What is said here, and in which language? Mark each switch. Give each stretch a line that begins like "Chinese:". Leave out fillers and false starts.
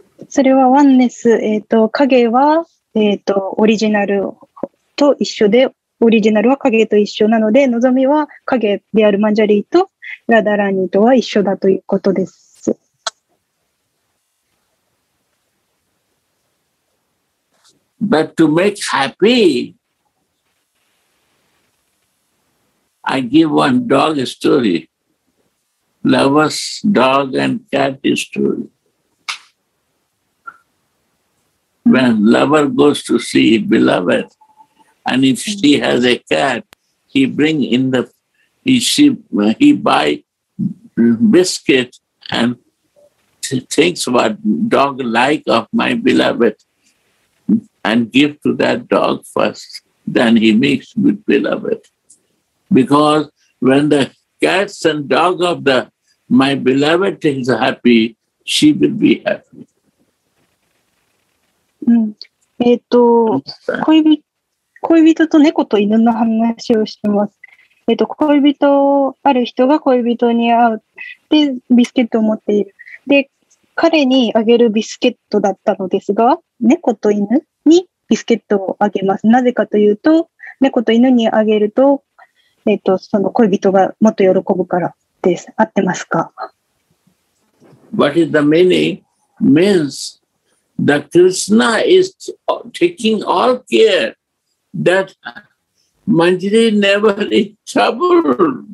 Japanese: それはワンネス、影はオリジナルと一緒で、オリジナルは影と一緒なので、望みは影であるマンジャリーとラダラニーとは一緒だということです。
English: But to make happy, I give one dog story. Lover's dog and cat story. When lover goes to see beloved, and if she has a cat, he bring in the, he buy biscuit and thinks what dog like of my beloved and give to that dog first, then he meets with beloved. Because when the cats and dog of the, my beloved is happy, she will be happy.
Japanese: うん、恋人と猫と犬の話をしてます。恋人、ある人が恋人に会う。で、ビスケットを持っている。で、彼にあげるビスケットだったのですが、猫と犬にビスケットをあげます。なぜかというと、猫と犬にあげると、その恋人がもっと喜ぶからです。合ってますか？
English: What is the meaning? Means? The Krishna is taking all care that Manjari never in trouble.